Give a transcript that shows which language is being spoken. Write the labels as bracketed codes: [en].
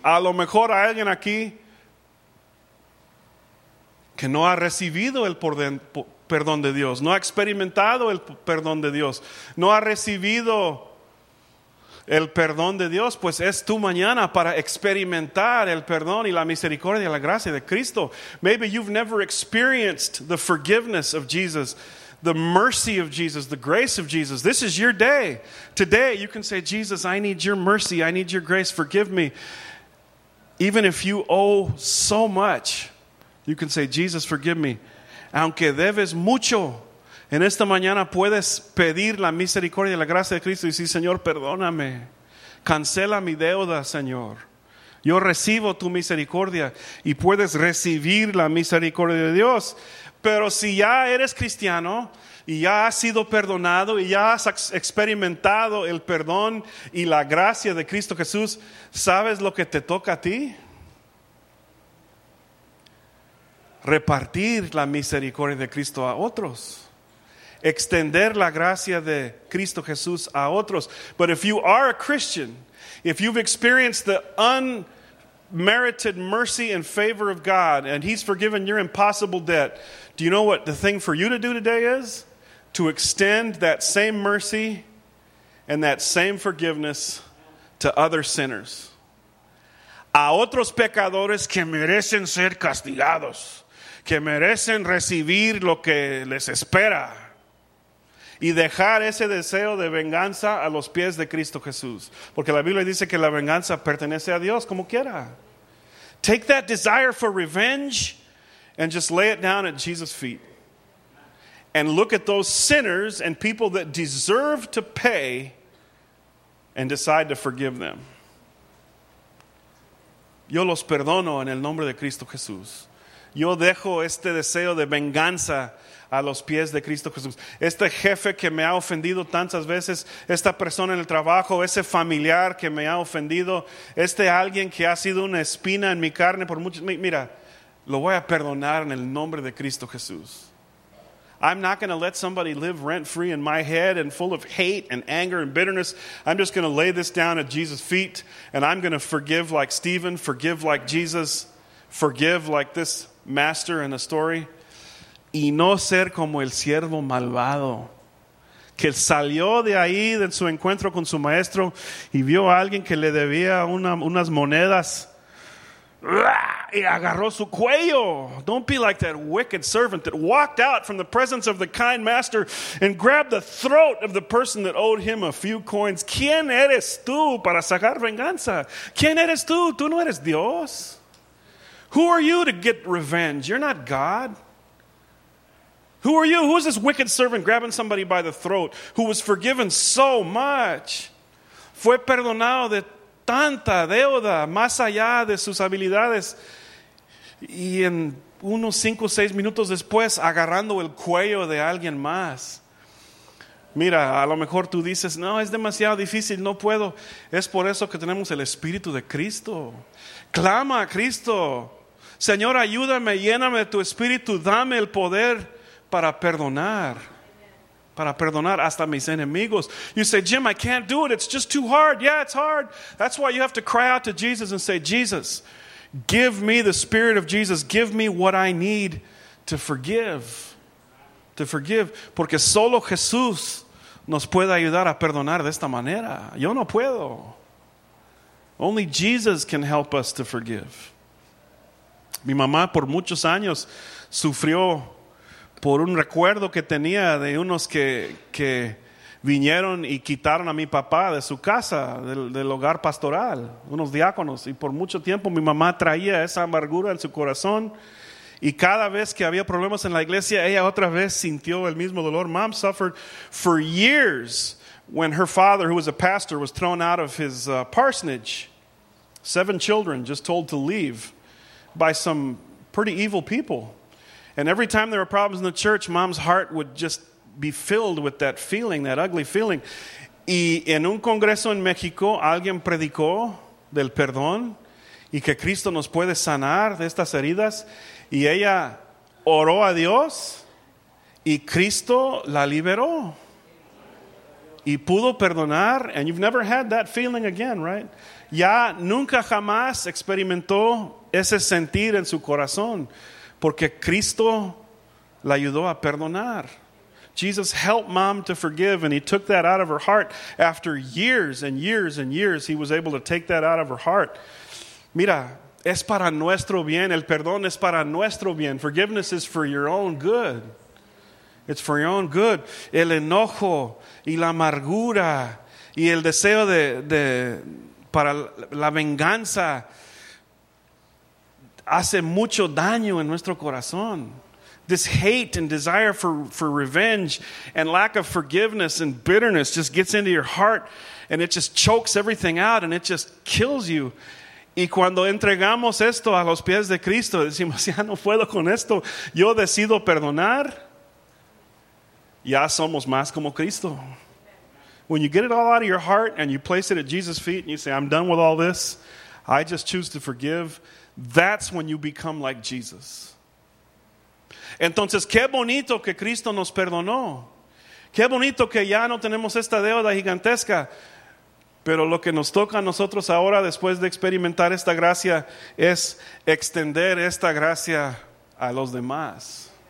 [es] A lo mejor hay alguien aquí que no ha recibido el perdón de Dios. No ha experimentado el perdón de Dios. No ha recibido el perdón de Dios, pues es tu mañana para experimentar el perdón y la misericordia, la gracia de Cristo. [en] Maybe you've never experienced the forgiveness of Jesus, the mercy of Jesus, the grace of Jesus. This is your day. Today you can say, Jesus, I need your mercy. I need your grace. Forgive me. Even if you owe so much, you can say, Jesus, forgive me. [es] Aunque debes mucho, en esta mañana puedes pedir la misericordia y la gracia de Cristo y decir, Señor, perdóname. Cancela mi deuda, Señor. Yo recibo tu misericordia y puedes recibir la misericordia de Dios. Pero si ya eres cristiano y ya has sido perdonado y ya has experimentado el perdón y la gracia de Cristo Jesús, ¿sabes lo que te toca a ti? Repartir la misericordia de Cristo a otros. Extender la gracia de Cristo Jesús a otros. [en] But if you are a Christian, if you've experienced the unmerited mercy and favor of God, and He's forgiven your impossible debt, do you know what the thing for you to do today is? To extend that same mercy and that same forgiveness to other sinners. [es] A otros pecadores que merecen ser castigados, que merecen recibir lo que les espera. Y dejar ese deseo de venganza a los pies de Cristo Jesús. Porque la Biblia dice que la venganza pertenece a Dios como quiera. [en] Take that desire for revenge and just lay it down at Jesus' feet. And look at those sinners and people that deserve to pay and decide to forgive them. [es] Yo los perdono en el nombre de Cristo Jesús. Yo dejo este deseo de venganza a los pies de Cristo Jesús. Este jefe que me ha ofendido tantas veces, esta persona en el trabajo, ese familiar que me ha ofendido, este alguien que ha sido una espina en mi carne por mucho, mira, lo voy a perdonar en el nombre de Cristo Jesús. [en] I'm not going to let somebody live rent free in my head and full of hate and anger and bitterness. I'm just going to lay this down at Jesus' feet, and I'm going to forgive like Stephen, forgive like Jesus, forgive like this master in the story. [es] Y no ser como el siervo malvado que salió de ahí en su encuentro con su maestro y vio a alguien que le debía unas monedas y agarró su cuello. [en] Don't be like that wicked servant that walked out from the presence of the kind master and grabbed the throat of the person that owed him a few coins. [es] ¿Quién eres tú para sacar venganza? ¿Quién eres tú? ¿Tú no eres Dios? [en] Who are you to get revenge? You're not God. Who are you? Who is this wicked servant grabbing somebody by the throat who was forgiven so much? [es] Fue perdonado de tanta deuda, más allá de sus habilidades. Y en unos 5 o 6 minutos después, agarrando el cuello de alguien más. Mira, a lo mejor tú dices, no, es demasiado difícil, no puedo. Es por eso que tenemos el Espíritu de Cristo. Clama a Cristo. Señor, ayúdame, lléname de tu Espíritu, dame el poder para perdonar hasta mis enemigos. [en] You say, Jim, I can't do it. It's just too hard. Yeah, it's hard. That's why you have to cry out to Jesus and say, Jesus, give me the Spirit of Jesus. Give me what I need to forgive. To forgive. [es] Porque solo Jesús nos puede ayudar a perdonar de esta manera. Yo no puedo. [en] Only Jesus can help us to forgive. [es] Mi mamá por muchos años sufrió por un recuerdo que tenía de unos que vinieron y quitaron a mi papá de su casa, del hogar pastoral, unos diáconos. Y por mucho tiempo mi mamá traía esa amargura en su corazón. Y cada vez que había problemas en la iglesia, ella otra vez sintió el mismo dolor. [en] Mom suffered for years when her father, who was a pastor, was thrown out of his parsonage. 7 children just told to leave by some pretty evil people. And every time there were problems in the church, mom's heart would just be filled with that feeling, that ugly feeling. [es] Y en un congreso en México, alguien predicó del perdón y que Cristo nos puede sanar de estas heridas. Y ella oró a Dios y Cristo la liberó y pudo perdonar. [en] And you've never had that feeling again, right? [es] Ya nunca jamás experimentó ese sentir en su corazón porque Cristo la ayudó a perdonar. [en] Jesus helped mom to forgive, and he took that out of her heart. After years and years and years, he was able to take that out of her heart. [es] Mira, es para nuestro bien. El perdón es para nuestro bien. [en] Forgiveness is for your own good. It's for your own good. [es] El enojo y la amargura y el deseo de para la venganza hace mucho daño en nuestro corazón. [en] This hate and desire for revenge and lack of forgiveness and bitterness just gets into your heart and it just chokes everything out and it just kills you. [es] Y cuando entregamos esto a los pies de Cristo, decimos, ya no puedo con esto, yo decido perdonar, ya somos más como Cristo. [en] When you get it all out of your heart and you place it at Jesus' feet and you say, I'm done with all this, I just choose to forgive, that's when you become like Jesus. [es] Entonces, qué bonito que Cristo nos perdonó. Qué bonito que ya no tenemos esta deuda gigantesca. Pero lo que nos toca a nosotros ahora, después de experimentar esta gracia, es extender esta gracia a los demás.